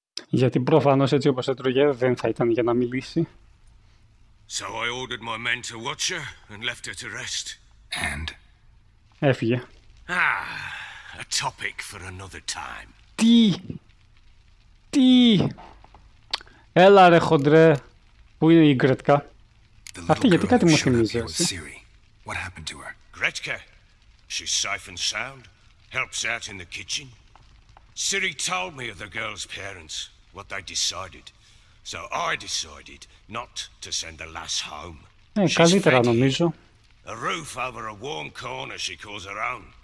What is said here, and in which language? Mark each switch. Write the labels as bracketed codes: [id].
[el] Γιατί προφανώς έτσι όπως έτρωγε δεν θα ήταν για να μιλήσει. [en] So I ordered my men to watch her and left her to rest. And? [el] Έφυγε. [en] Ah, a topic for another time. [el] Τι! Τι! Έλα ρε χοντρέ! Πού είναι η Γκρέτκα? Αυτή γιατί κάτι μου θυμίζει εσύ. [en] What happened to her? Γκρέτκα. She's safe and sound. Helps out in the kitchen. Siri told me of the girl's parents, what they decided. So I decided not to send the lass home. [el] Καλύτερα, νομίζω. [en] A roof over a warm corner she calls her own.